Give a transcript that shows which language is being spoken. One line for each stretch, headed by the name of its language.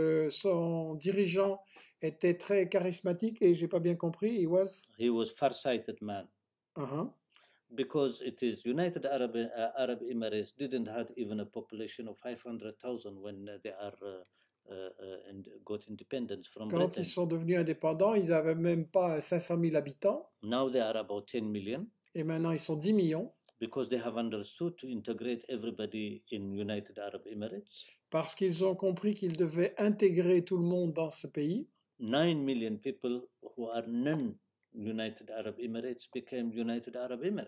French: Son dirigeant était très charismatique et j'ai pas bien compris.
English: He was. He was far-sighted man. Because it is United Arab Emirates didn't have even a population of 500,000 when they are and got independence from
French: Quand ils
English: Britain.
French: sont devenus indépendants, ils n'avaient même pas 500 000 habitants.
English: Now they are about 10 million
French: Et maintenant, ils sont 10 millions.
English: because they have understood to integrate everybody in United Arab Emirates.
French: Parce qu'ils ont compris qu'ils devaient intégrer tout le monde dans ce pays.
English: 9 million people who are non United Arab Emirates became United Arab